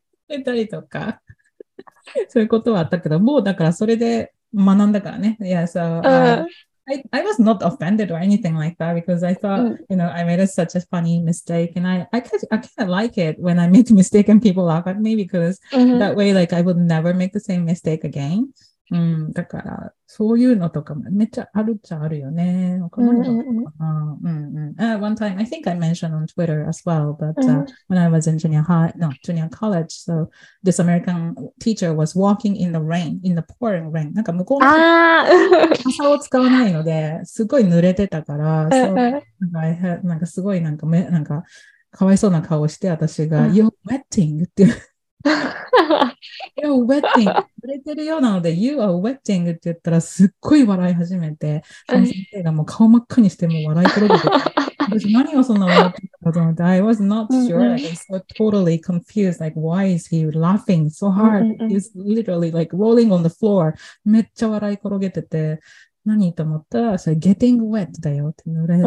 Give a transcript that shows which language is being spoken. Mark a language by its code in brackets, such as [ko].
[ja] 言ったりとか、そういうことはあったけど、もうだからそれで学んだからね。 [en] Yeah, so, I was not offended or anything like that because I thought, you know, I made such a funny mistake and I kind of like it when I make a mistake and people laugh at me because that way, like, I would never make the same mistake again. [ja] うん、だから、そういうのとかもめっちゃあるっちゃあるよね。 [en] One time, I think I mentioned on Twitter as well, but when I was in junior college, so this American teacher was walking in the rain, in the pouring rain. [ja] なんか向こうの人、傘を使わないので、すごい濡れてたから、そう、なんかすごいなんか、かわいそうな顔して私が、 [en] You're wetting! [ja] っていう。 [en] You're wetting. [ja] 濡れてるようなので [en] You are wetting [ja] って言ったらすっごい笑い始めて先生がもう顔真っ赤にしてもう笑い転げて私何をそんな笑ってたかと思って [en] I was not sure I was so totally confused like why is he laughing so hard he's literally like rolling on the floor [ja] めっちゃ笑い転げてて何と思ったらそれ getting wet だよって濡